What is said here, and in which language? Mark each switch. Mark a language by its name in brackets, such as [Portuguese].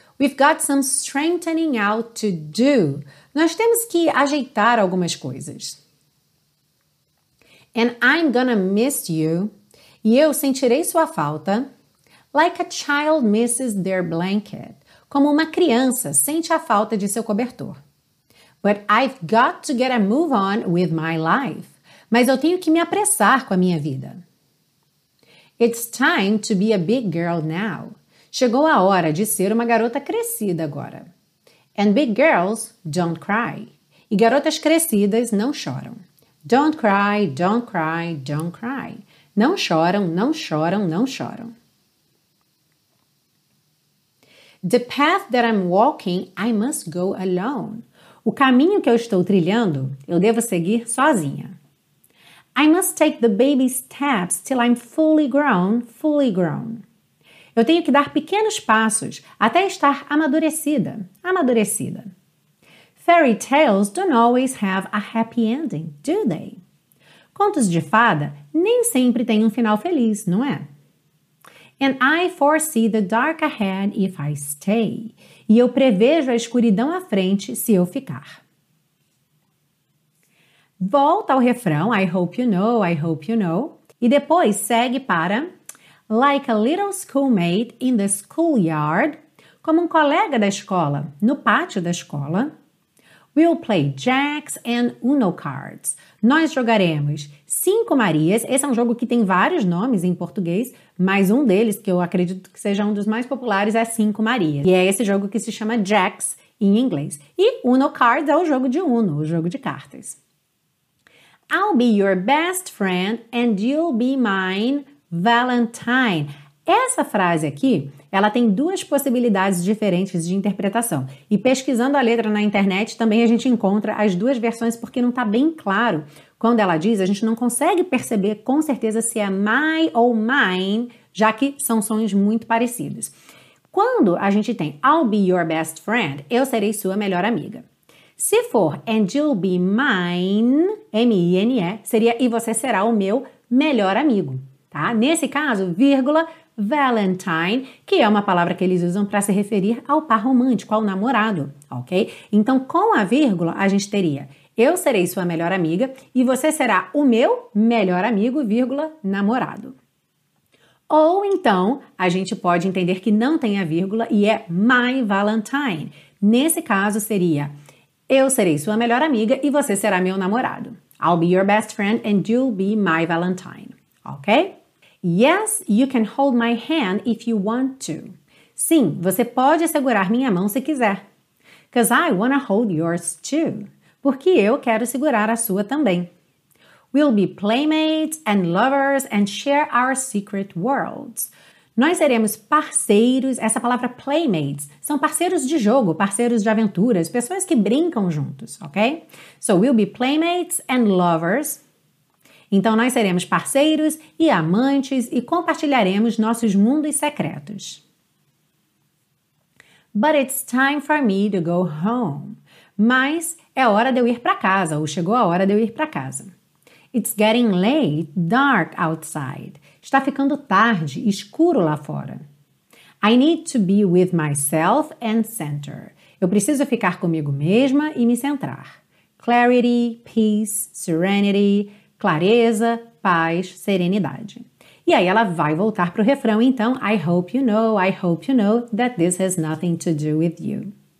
[English] We've got some strengthening out to do. [Portuguese] Nós temos que ajeitar algumas coisas. [English] And I'm gonna miss you. [Portuguese] E eu sentirei sua falta. [English] Like a child misses their blanket. [Portuguese] Como uma criança sente a falta de seu cobertor. [English] But I've got to get a move on with my life. [Portuguese] Mas eu tenho que me apressar com a minha vida. [English] It's time to be a big girl now. [Portuguese] Chegou a hora de ser uma garota crescida agora. [English] And big girls don't cry. [Portuguese] E garotas crescidas não choram. [English] Don't cry, don't cry, don't cry. [Portuguese] Não choram, não choram, não choram. [English] The path that I'm walking, I must go alone. [Portuguese] O caminho que eu estou trilhando, eu devo seguir sozinha. [English] I must take the baby steps till I'm fully grown, fully grown. [Portuguese] Eu tenho que dar pequenos passos até estar amadurecida, amadurecida. [English] Fairy tales don't always have a happy ending, do they? [Portuguese] Contos de fada nem sempre têm um final feliz, não é? [English] And I foresee the dark ahead if I stay. [Portuguese] E eu prevejo a escuridão à frente se eu ficar. Volta ao refrão, [English] I hope you know, [Portuguese] e depois segue para [English] Like a little schoolmate in the schoolyard, [Portuguese] como um colega da escola, no pátio da escola. [English] We'll play jacks and uno cards. [Portuguese] Nós jogaremos cinco Marias, esse é um jogo que tem vários nomes em português, mas um deles, que eu acredito que seja um dos mais populares, é cinco Marias. E é esse jogo que se chama jacks em inglês. E uno cards é o jogo de uno, o jogo de cartas. [English] I'll be your best friend and you'll be mine Valentine. [Portuguese] Essa frase aqui, ela tem duas possibilidades diferentes de interpretação. E pesquisando a letra na internet, também a gente encontra as duas versões porque não está bem claro. Quando ela diz, a gente não consegue perceber com certeza se é my ou mine, já que são sons muito parecidos. Quando a gente tem [English] I'll be your best friend, [Portuguese] eu serei sua melhor amiga. Se for, [English] and you'll be mine, [Portuguese] M-I-N-E, seria e você será o meu melhor amigo, tá? Nesse caso, vírgula, Valentine, que é uma palavra que eles usam para se referir ao par romântico, ao namorado, ok? Então, com a vírgula, a gente teria, Eu serei sua melhor amiga e você será o meu melhor amigo, vírgula, namorado. Ou então, a gente pode entender que não tem a vírgula e é my Valentine. Nesse caso, seria eu serei sua melhor amiga e você será meu namorado. [English] I'll be your best friend and you'll be my Valentine. Ok? Yes, you can hold my hand if you want to. [Portuguese] Sim, você pode segurar minha mão se quiser. [English] Because I wanna hold yours too. [Portuguese] Porque eu quero segurar a sua também. [English] We'll be playmates and lovers and share our secret worlds. [Portuguese] Nós seremos parceiros, essa palavra playmates, são parceiros de jogo, parceiros de aventuras, pessoas que brincam juntos, ok? [English] So we'll be playmates and lovers. [Portuguese] Então nós seremos parceiros e amantes e compartilharemos nossos mundos secretos. [English] But it's time for me to go home. [Portuguese] Mas é hora de eu ir para casa, ou chegou a hora de eu ir para casa. [English] It's getting late, dark outside. [Portuguese] Está ficando tarde, escuro lá fora. [English] I need to be with myself and center. [Portuguese] Eu preciso ficar comigo mesma e me centrar. [English] Clarity, peace, serenity, [Portuguese] clareza, paz, serenidade. E aí ela vai voltar para o refrão, então, [English] I hope you know that this has nothing to do with you.